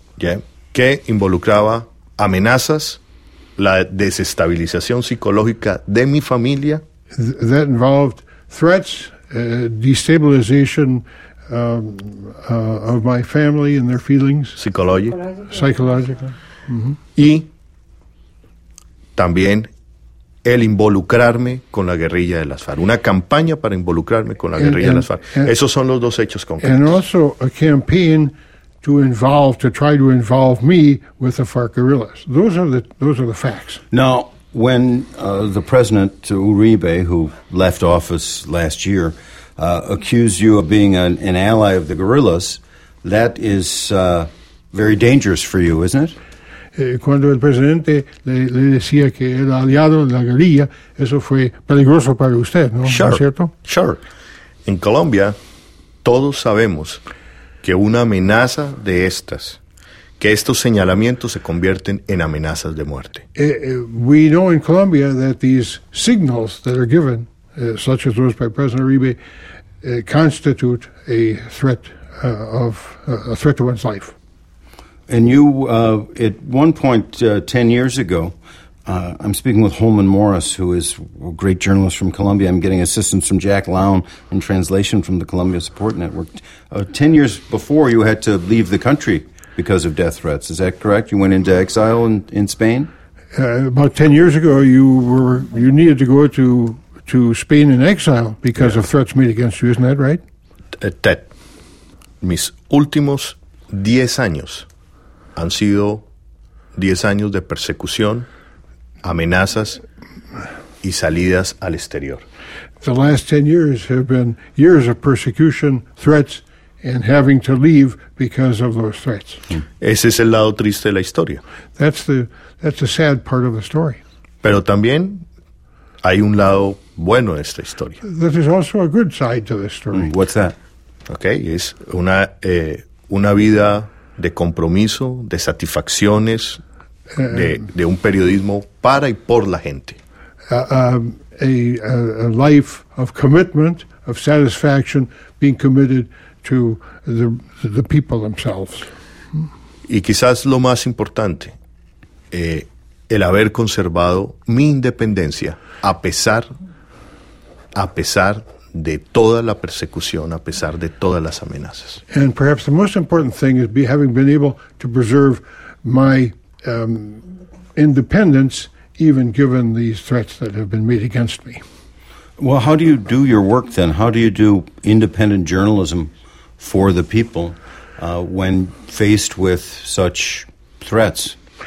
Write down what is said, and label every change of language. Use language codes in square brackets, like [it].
[es] Yeah, que involucraba amenazas, la desestabilización psicológica de mi familia. [en] That involved threats, destabilization of my family and their feelings. Psicologically. Mm-hmm. [es] Y también el involucrarme con la guerrilla de las FARC. Una campaña para involucrarme con la guerrilla de las FARC. Esos son los dos hechos concretos. [en] And also a campaign to try to involve me with the FARC guerrillas. Those are the facts. Now, when the president Uribe, who left office last year, accused you of being an ally of the guerrillas, that is very dangerous for you, isn't it? [es] Cuando el presidente le decía que era aliado de la guerrilla, eso fue peligroso para usted, ¿no? [en] Sure. [es] ¿No es cierto? [en] Sure. [es] En Colombia, todos sabemos que una amenaza de estas, que estos señalamientos se convierten en amenazas de muerte. [en] We know in Colombia that these signals that are given, such as those by President Uribe, constitute a threat to one's life. And you, at one point 10 years ago, I'm speaking with Holman Morris, who is a great journalist from Colombia. I'm getting assistance from Jack Lown in translation from the Colombia Support Network. 10 years before, you had to leave the country because of death threats. Is that correct? You went into exile in Spain? About 10 years ago, you needed to go to Spain in exile because of threats made against you. Isn't that right? [es] Mis últimos 10 años. Han sido 10 años de persecución, amenazas y salidas al exterior. [en] The last 10 years have been years of persecution, threats, and having to leave because of those threats. [es] Ese es el lado triste de la historia. [en] That's the sad part of the story. [es] Pero también hay un lado bueno de esta historia. [en] There is also a good side to this story. What's that? [es] Okay, es una vida de compromiso, de satisfacciones, de un periodismo para y por la gente. [en] A life of commitment, of satisfaction, being committed to the people themselves. [es] Y quizás lo más importante, el haber conservado mi independencia a pesar de toda la persecución, a pesar de todas las amenazas. [en] And perhaps the most important thing is having been able to preserve my independence, even given these threats that have been made against me. Well, how do you do your work then? How do you do independent journalism for the people when faced with such threats?